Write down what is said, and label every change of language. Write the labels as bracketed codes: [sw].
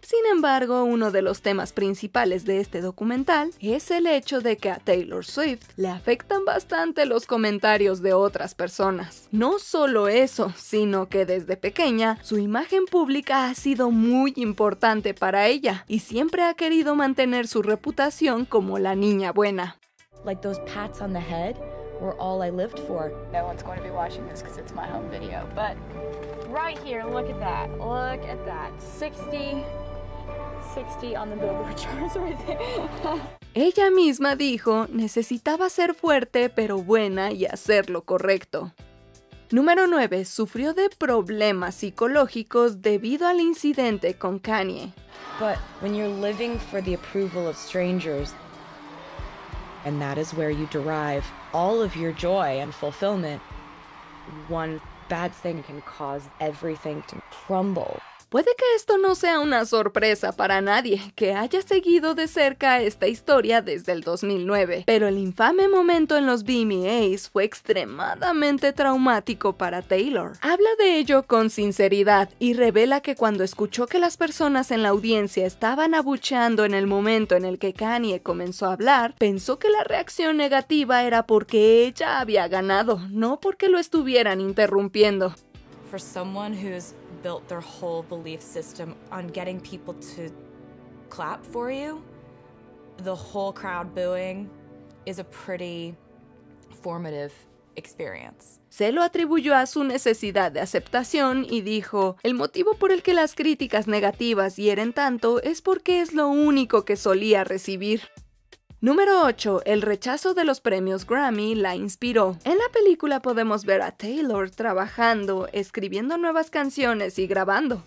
[es] Sin embargo, uno de los temas principales de este documental es el hecho de que a Taylor Swift le afectan bastante los comentarios de otras personas. No solo eso, sino que desde pequeña su imagen pública ha sido muy importante para ella y siempre ha querido mantener su reputación como la niña buena. [en] Like those pats on the head were all I lived for. No one's going to be watching this because it's my home video, but right here, look at that, 60 on the Billboard charts right there. [es] Ella misma dijo, necesitaba ser fuerte pero buena y hacer lo correcto. Número 9, sufrió de problemas psicológicos debido al incidente con Kanye. [en] But when you're living for the approval of strangers, and that is where you derive all of your joy and fulfillment, one bad thing can cause everything to crumble. [es] Puede que esto no sea una sorpresa para nadie que haya seguido de cerca esta historia desde el 2009, pero el infame momento en los VMAs fue extremadamente traumático para Taylor. Habla de ello con sinceridad y revela que cuando escuchó que las personas en la audiencia estaban abucheando en el momento en el que Kanye comenzó a hablar, pensó que la reacción negativa era porque ella había ganado, no porque lo estuvieran interrumpiendo. [en] For someone who's built their whole belief system on getting people to clap for you, the whole crowd booing is a pretty formative experience. [es] Se lo atribuyó a su necesidad de aceptación y dijo, el motivo por el que las críticas negativas hieren tanto es porque es lo único que solía recibir. Número 8. El rechazo de los premios Grammy la inspiró. En la película podemos ver a Taylor trabajando, escribiendo nuevas canciones y grabando.